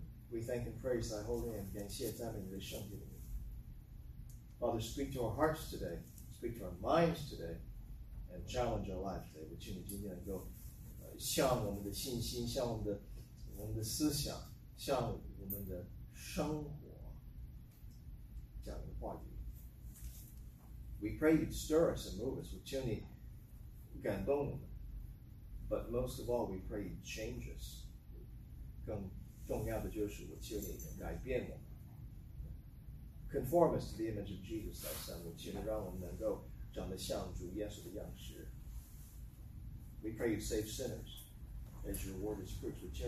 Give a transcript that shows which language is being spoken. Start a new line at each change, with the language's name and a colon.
English: We thank and praise thy holy name.
Chinese: 感谢赞美你的圣名。
English: Father, speak to our hearts today. Speak to our minds today. And challenge our life today.
Chinese: 我求你今天能够向我们的信心，向我们的思想，向我们的生活讲你的话语。
English: We pray you stir us and move us.
Chinese: 我求你感动我们。
English: But most of all, we pray you change us.
Chinese: 更重要的就是我求你改变我们。
English: Conform us to the image of Jesus, thy son.
Chinese: 我求你让我们能够 长得像主耶稣的样式。
English: We pray you save sinners as your word is preached.